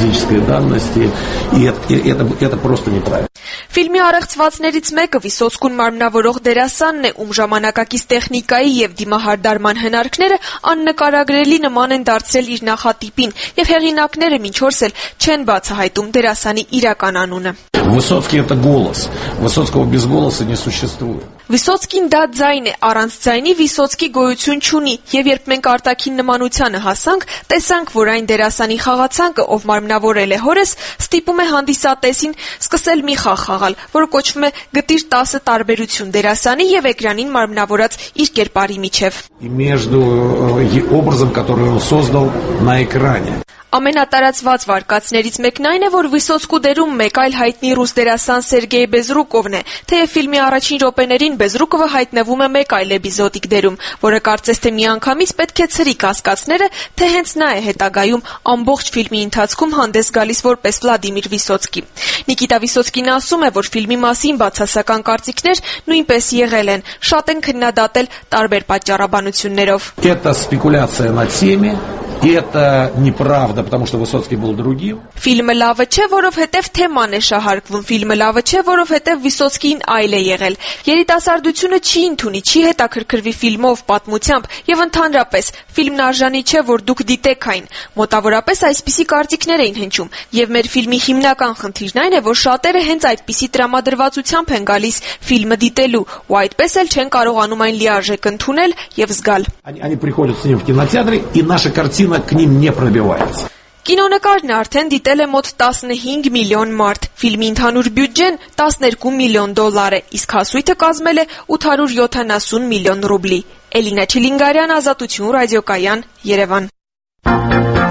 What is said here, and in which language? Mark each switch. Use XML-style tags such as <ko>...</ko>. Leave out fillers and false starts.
<ru>И это просто неправильно.</ru> <hy>Ֆիլմի առեղծվածներից մեկը Վիսոցկուն մարմնավորող դերասանն է, ում ժամանակակից տեխնիկայի եւ դիմահարդարման հնարքները աննկարագրելի նման են դարձել իր նախատիպին, եւ հեղինակները մինչ օրս էլ չեն բացահայտում դերասանի իրական անունը.</hy> <ru>Высоцкий это голос. Высоцкого без голоса не существует.</ru> <hy>Վիսոցկին դա ձայն է, առանց ձայնի Վիսոցկի գոյություն չունի, եւ երբ մենք արտակին նմանությանը հասանք, տեսանք, որ այն դերասանի խաղացանկը, ով մարմնավորել է հորը, ստիպում է հանդիսատեսին սկսել մի խաղ խաղալ, որը կոչվում է գտիր 10 տարբերություն դերասանի եւ էկրանին մարմնավորած իր կերպարի միջեւ։ Ամենատարածված վարկածներից մեկն այն է, որ Վիսոցկու դերում մեկ այլ հայտնի ռուս դերասան Սերգեյ Բեզրուկովն է, թեև ֆիլմի առաջին րոպեներին Բեզրուկովը հայտնվում է մեկ այլ էպիզոդիկ դերում, որը կարծես թե միանգամից պետք է ցրի կասկածները, թե հենց նա է հետագայում ամբողջ ֆիլմի ընթացքում հանդես գալիս որպես Վլադիմիր Վիսոցկի։ Նիկիտա Վիսոցկին ասում է, որ ֆիլմի մասին բացասական կարծիքներ նույնպես եղել են, շատ են քննադատել տարբեր պատճառաբանություններով։</hy> <ru>И это неправда, потому что Высоцкий был другим.</ru> <hy>Ֆիլմը լավը չէ, որովհետև թեման է շահարկվում, ֆիլմը լավը չէ, որովհետև Վիսոցկին այլ է եղել։ Երիտասարդությունը չի ընդունի, չի հետաքրքրվի ֆիլմով, պատմությամբ, եւ ընդհանրապես ֆիլմն արժանի չէ, որ դուք դիտեք այն։ Մոտավորապես այսպիսի կարծիքներ էին հնչում, եւ մեր ֆիլմի հիմնական խնդիրն այն է, որ շատերը հենց այդպիսի տրամադրվածությամբ են գալիս ֆիլմը դիտելու, ու այդպես էլ չեն կարողանում այն լիարժեք ընդունել եւ զգալ։</hy> <ru>Они приходят с ним в кинотеатры, и наша картина к ним не пробивается.</ru> <hy>Կինոնկարն արդեն դիտել է մոտ 15 միլիոն մարդ, ֆիլմի ընդհանուր բյուջեն 12 միլիոն դոլար է, իսկ հասույթը կազմել է 870 միլիոն ռուբլի։ Էլինա Չիլինգարյան, Ազատություն ռադիոկայան, Երևան։</hy>